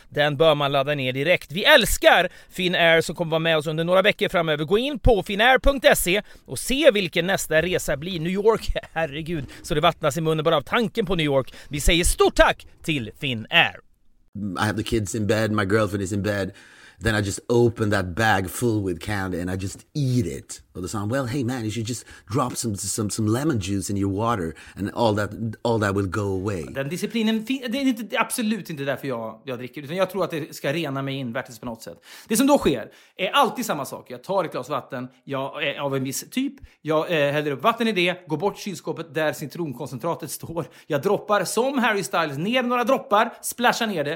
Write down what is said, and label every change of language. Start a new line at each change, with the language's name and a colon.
Swedish: Den bör man ladda ner direkt. Vi älskar Finnair som kommer vara med oss under några veckor framöver. Gå in på finnair.se och se vilken nästa resa blir. New York, herregud, så det vattnas i munnen bara av tanken på New York. Vi säger stort tack till Finnair.
English: I have the kids in bed, my girlfriend is in bed. Then I just open that bag full with candy and I just eat it. Or the song, well, hey man, you should just drop some lemon juice in your water and all that will go away.
Swedish: Den disciplinen, det är inte, absolut inte därför jag dricker, utan jag tror att det ska rena mig invärtes på något sätt. Det som då sker är alltid samma sak. Jag tar ett glas vatten, jag är av en viss typ, jag häller upp vatten i det, går bort kylskåpet där citronkoncentratet står, jag droppar som Harry Styles ner några droppar, splashar ner det.